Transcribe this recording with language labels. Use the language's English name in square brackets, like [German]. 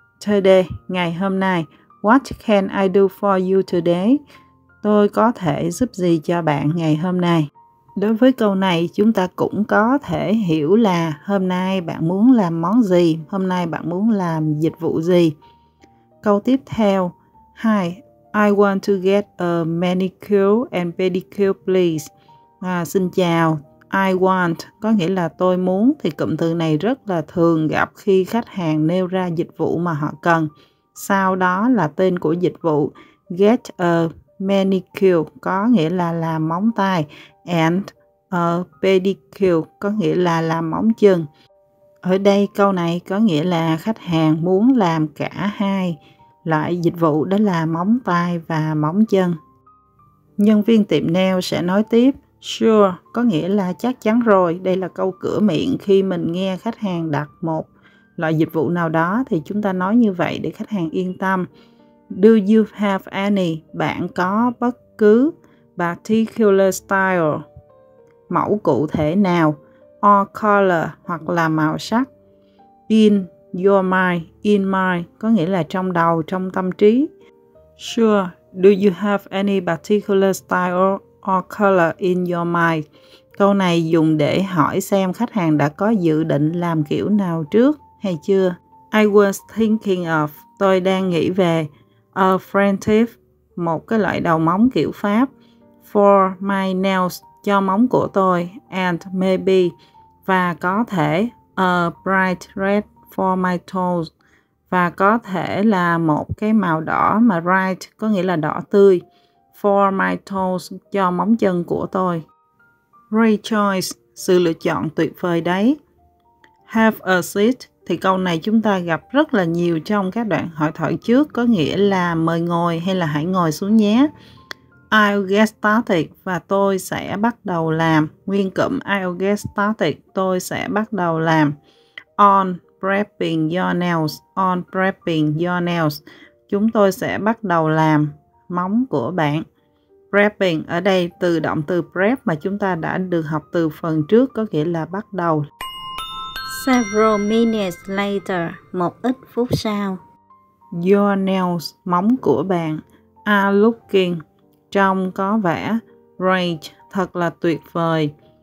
[English] Today, [Vietnamese] ngày hôm nay. [English] What can I do for you today? [Vietnamese] Tôi có thể giúp gì cho bạn ngày hôm nay? Đối với câu này, chúng ta cũng có thể hiểu là hôm nay bạn muốn làm món gì? Hôm nay bạn muốn làm dịch vụ gì? Câu tiếp theo. [English] Hi, I want to get a manicure and pedicure, please. [Vietnamese] Xin chào. [English] I want [Vietnamese] có nghĩa là tôi muốn. Thì cụm từ này rất là thường gặp khi khách hàng nêu ra dịch vụ mà họ cần. Sau đó là tên của dịch vụ. [English] Get a manicure [Vietnamese] có nghĩa là làm móng tay. [English] And a pedicure [Vietnamese] có nghĩa là làm móng chân. Ở đây câu này có nghĩa là khách hàng muốn làm cả hai loại dịch vụ, đó là móng tay và móng chân. Nhân viên tiệm nail sẽ nói tiếp, sure có nghĩa là chắc chắn rồi. Đây là câu cửa miệng khi mình nghe khách hàng đặt một loại dịch vụ nào đó thì chúng ta nói như vậy để khách hàng yên tâm. [English] Do you have any? [Vietnamese] Bạn có bất cứ [English] particular style, [Vietnamese] mẫu cụ thể nào, [English] or color, [Vietnamese] hoặc là màu sắc. [English] In your mind, in mind, [Vietnamese] có nghĩa là trong đầu, trong tâm trí. [English] Sure, do you have any particular style or color in your mind? [Vietnamese] Câu này dùng để hỏi xem khách hàng đã có dự định làm kiểu nào trước hay chưa. [English] I was thinking of, [Vietnamese] tôi đang nghĩ về, [English] a French tip, [Vietnamese] một cái loại đầu móng kiểu Pháp, [English] for my nails, [Vietnamese] cho móng của tôi, [English] and maybe, [Vietnamese] và có thể, [English] a bright red for my toes, [Vietnamese] và có thể là một cái màu đỏ, mà bright có nghĩa là đỏ tươi, [English] for my toes, [Vietnamese] cho móng chân của tôi. [English] Great choice, [Vietnamese] sự lựa chọn tuyệt vời đấy. [English] Have a seat, [Vietnamese] thì câu này chúng ta gặp rất là nhiều trong các đoạn hội thoại trước, có nghĩa là mời ngồi hay là hãy ngồi xuống nhé. [English] I'll get started, [Vietnamese] và tôi sẽ bắt đầu làm. Nguyên cụm [English] I'll get started, [Vietnamese] tôi sẽ bắt đầu làm. [English] On prepping your nails, on prepping your nails. [Vietnamese] Chúng tôi sẽ bắt đầu làm móng của bạn. Prepping, ở đây từ động từ prep mà chúng ta đã được học từ phần trước, có nghĩa là bắt đầu. [English] Several minutes later, [Vietnamese] một ít phút sau. [English] Your nails, [Vietnamese] móng của bạn, [English] are looking, [Vietnamese] trông có vẻ, [English] great, [Vietnamese] thật là tuyệt vời.